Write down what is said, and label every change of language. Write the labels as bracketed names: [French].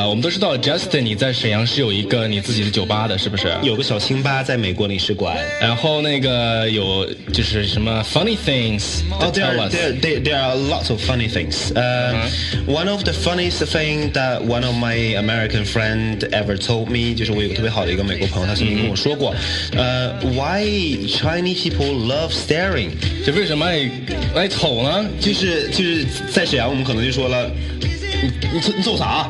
[Chinese] 我们都知道 Justin 你在沈阳是有一个你自己的酒吧的，是不是？有个小清吧在美国领事馆。然后那个有就是什么 [English] funny things to tell us. There are lots of funny things. One of the funniest thing that one of my American friend ever told me, [Chinese] 就是我有个特别好的一个美国朋友，他曾经跟我说过， [English] why Chinese people love staring? [Chinese] 就为什么爱瞅呢？就是在沈阳，我们可能就说了，你瞅啥？